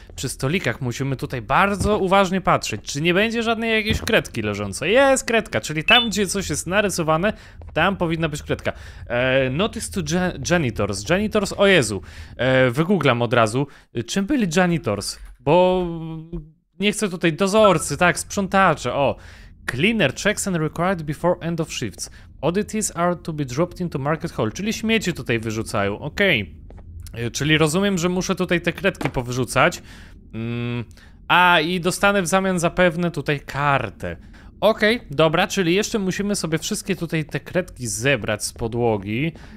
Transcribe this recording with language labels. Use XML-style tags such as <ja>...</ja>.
<pl>Przy stolikach musimy tutaj bardzo uważnie patrzeć. Czy nie będzie żadnej jakiejś kredki leżącej? Jest kredka, czyli tam, gdzie coś jest narysowane, tam powinna być kredka.</pl> <en>Notice to janitors. Janitors,</en> <pl>o Jezu. Wygooglam od razu. Czym byli janitors? Bo nie chcę tutaj dozorcy, tak, sprzątacze, o.</pl> <en>Cleaner checks and required before end of shifts. Oddities are to be dropped into market hall.</en> <pl>Czyli śmieci tutaj wyrzucają, okej. Czyli rozumiem, że muszę tutaj te kredki powyrzucać. A i dostanę w zamian zapewne tutaj kartę. Okej, dobra, czyli jeszcze musimy sobie wszystkie tutaj te kredki zebrać z podłogi.</pl>